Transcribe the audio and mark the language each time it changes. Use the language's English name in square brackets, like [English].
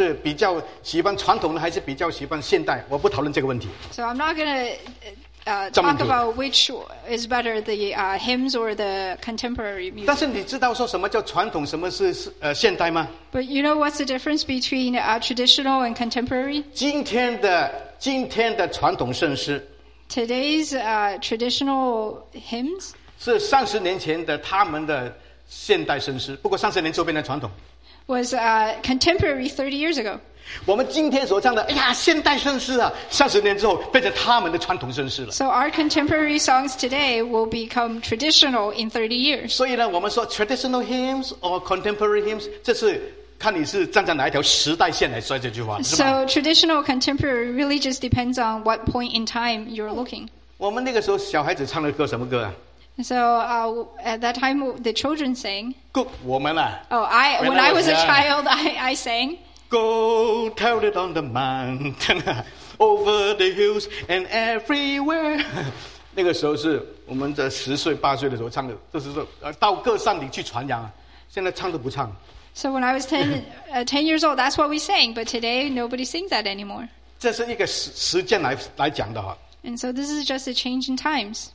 [Chinese] 我不知道我们这个我们的教会是比较喜欢传统的还是比较喜欢现代, 我不讨论这个问题。 [English] So I'm not going to talk about which is better, the hymns or the contemporary music. [Chinese] 但是你知道说什么叫传统,什么是现代吗? [English] But you know what's the difference between traditional and contemporary? [Chinese] 今天的传统圣诗, [English] Today's traditional hymns? [Chinese] 是30年前的他们的现代圣诗, 不过30年之后变成传统。 [English] Was contemporary 30 years ago. [Chinese] 我们今天所唱的, 哎呀, 现代圣诗啊, 30年之后变成他们的传统圣诗了。 [English] So our contemporary songs today will become traditional in 30 years. [Chinese] 所以呢, 我们说 [English] traditional hymns or contemporary hymns, [Chinese] 这是 看你是站在哪一条时代线来说这句话。 [English] So traditional contemporary really just depends on what point in time you're looking. [Chinese] 我们那个时候小孩子唱的歌什么歌啊? [English] So at that time the children sang. [Chinese] 够我们啊。 [English] Oh, I when I was a child I sang. Go tell it on the mountain, over the hills and everywhere. [Chinese] 那个时候是我们在10岁8岁的时候唱的，就是说到各山顶去传扬，现在唱都不唱。 [English] So when I was 10 years old, that's what we sang, but today nobody sings that anymore. [Chinese] 这是一个时间来讲的哈。 [English] And so this is just a change in times.